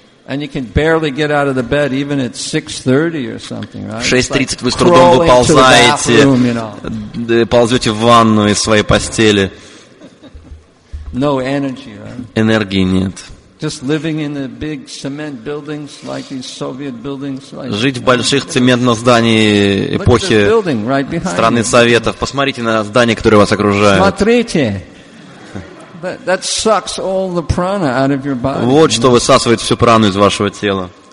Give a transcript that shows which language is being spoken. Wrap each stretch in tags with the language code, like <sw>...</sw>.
<en>And you can barely get out of the bed even at 6:30 or something, right?</en> <ru>В 6:30 вы с трудом выползаете, ползете в ванну из своей постели.</ru> <en>No energy, right?</en> <ru>Энергии нет.</ru> <en>Just living in the big cement buildings like these Soviet buildings.</en> <ru>Жить в больших цементных зданиях эпохи страны Советов. Посмотрите на здания, которые вас окружают. Смотрите.</ru> <en>That sucks all the prana out of your body.</en> <ru>Вот что высасывает всю прану из вашего тела.</ru>